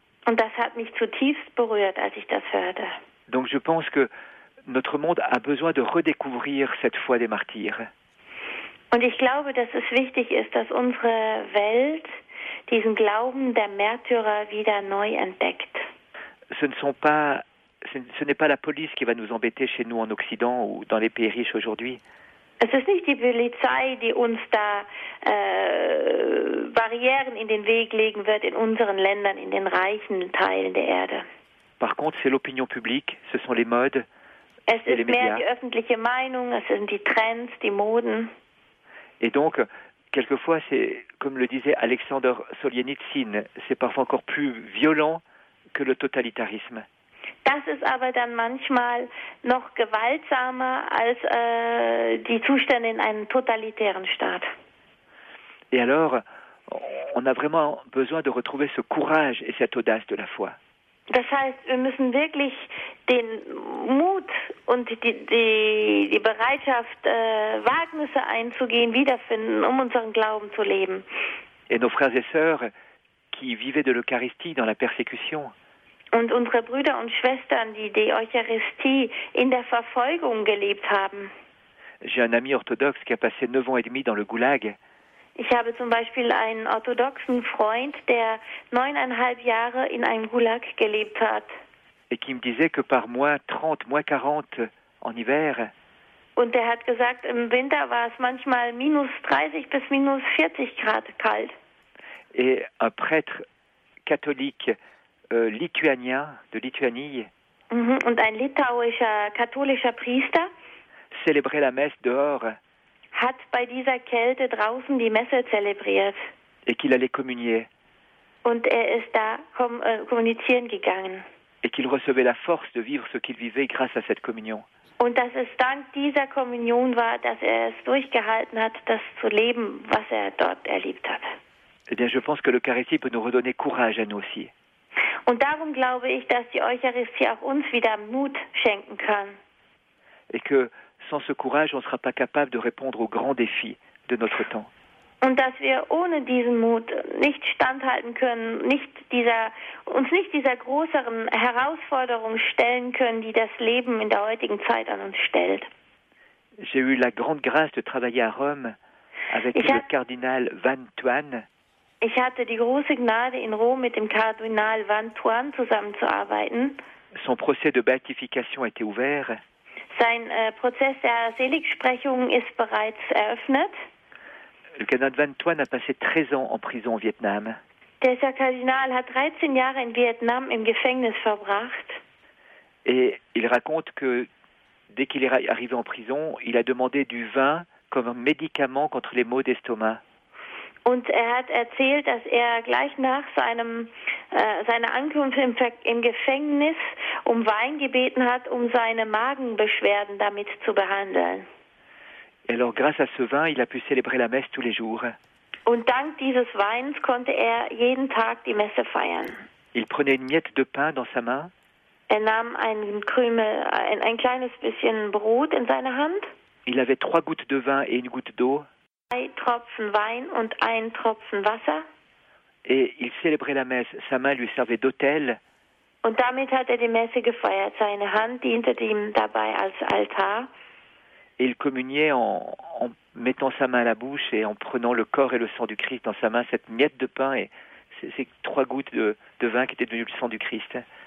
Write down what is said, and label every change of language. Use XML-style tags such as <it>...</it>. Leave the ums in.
<de>Und das hat mich zutiefst berührt, als ich das hörte.</de> <fr>Donc je pense que notre monde a besoin de redécouvrir cette foi des martyrs.</fr> <de>Und ich glaube, dass es wichtig ist, dass unsere Welt diesen Glauben der Märtyrer wieder neu entdeckt.</de> <fr>Ce ne sont pas ce n- ce n'est pas la police qui va nous embêter chez nous en Occident ou dans les pays riches aujourd'hui.</fr> <de>Es ist nicht die Polizei, die uns da äh, Barrieren in den Weg legen wird in unseren Ländern, in den reichen Teilen der Erde.</de> <fr>Par contre, c'est l'opinion publique, ce sont les modes.</fr> <de>Es Ja, die ist mehr Media. die öffentliche Meinung, es sind die Trends, die Moden.</de> <fr>Et donc, quelquefois, c'est, comme le disait Alexander Solzhenitsyn, c'est parfois encore plus violent que le totalitarisme.</fr> <de>Das ist aber dann manchmal noch gewaltsamer als äh, die Zustände in einem totalitären Staat.</de> <fr>Et alors, on a vraiment besoin de retrouver ce courage et cette audace de la foi.</fr> <de>Das heißt, wir müssen wirklich den Mut und die, die, die Bereitschaft, äh, Wagnisse einzugehen, wiederfinden, um unseren Glauben zu leben.</de> <fr>Et nos frères et sœurs qui vivaient de l'Eucharistie dans la persécution,</fr> <de>Und unsere Brüder und Schwestern, die die Eucharistie in der Verfolgung gelebt haben.</de> <fr>j'ai un ami orthodoxe qui a passé neuf ans et demi dans le goulag.</fr> <de>Ich habe zum Beispiel einen orthodoxen Freund, der neuneinhalb Jahre in einem Gulag gelebt hat.</de> <fr>et qui me disait que par moins 30, moins 40 en hiver,</fr> <de>Und der hat gesagt, im Winter war es manchmal minus 30 bis minus 40 Grad kalt.</de> <fr>et un prêtre catholique euh, lituanien de Lituanie Mhm.</fr> <de>Und ein litauischer katholischer Priester</de> <fr>célébrait la messe dehors</fr> <de>hat bei dieser Kälte draußen die Messe zelebriert.</de> <fr>et qu'il allait communier</fr> <de>Und er ist da kom äh, kommunizieren gegangen.</de> <fr>et qu'il recevait la force de vivre ce qu'il vivait grâce à cette communion.</fr> <de>Und dass es dank dieser Kommunion war, dass er es durchgehalten hat, das zu leben, was er dort erlebt hat.</de> <fr>Eh bien, je pense que l'Eucharistie peut nous redonner courage à nous aussi.</fr> <de>Und darum glaube ich, dass die Eucharistie auch uns wieder Mut schenken kann.</de> <fr>Et que sans ce courage, on ne sera pas capable de répondre aux grands défis de notre temps.</fr> <de>und dass wir ohne diesen Mut nicht standhalten können, nicht dieser, uns nicht dieser größeren Herausforderung stellen können, die das Leben in der heutigen Zeit an uns stellt.</de> <fr>J'ai eu la grande grâce de travailler à Rome avec</fr> <de>Ich</de> <fr>le</fr> <de>hab-</de> <fr>cardinal Van Tuan,</fr> <de>Ich hatte die große Gnade, in Rom mit dem Kardinal Van Thuan zusammenzuarbeiten.</de> <fr>Son procès de béatification a été ouvert.</fr> <de>Sein äh, Prozess der Seligsprechung ist bereits eröffnet.</de> <fr>Le cardinal Van Tuan a passé 13 ans en prison au Vietnam.</fr> <de>Dieser Kardinal hat 13 Jahre in Vietnam im Gefängnis verbracht.</de> <fr>Et il raconte que dès qu'il est ra- arrivé en prison, il a demandé du vin comme un médicament contre les maux d'estomac.</fr> <de>Und er hat erzählt, dass er gleich nach seinem, äh, seiner Ankunft im, Ver im Gefängnis um Wein gebeten hat, um seine Magenbeschwerden damit zu behandeln.</de> <fr>Et alors, grâce à ce vin, il a pu célébrer la messe tous les jours.</fr> <de>Und dank dieses Weins konnte er jeden Tag die Messe feiern.</de> <fr>Il prenait une miette de pain dans sa main</fr> <de>Er nahm einen Krümel, ein, ein kleines bisschen Brot in seine Hand,</de> <fr>Il avait trois gouttes de vin et une goutte d'eau,</fr> <de>drei Tropfen Wein und einen Tropfen Wasser.</de> <fr>et il célébrait la messe. Sa main lui servait d'autel,</fr> <de>Und damit hat er die Messe gefeiert. Seine Hand diente ihm dabei als Altar.</de> <fr>et il communiait en, en mettant sa main à la bouche et en prenant le corps et le sang du Christ dans sa main, cette miette de pain et ces, ces trois gouttes de, de vin qui étaient devenues le sang du Christ.</fr>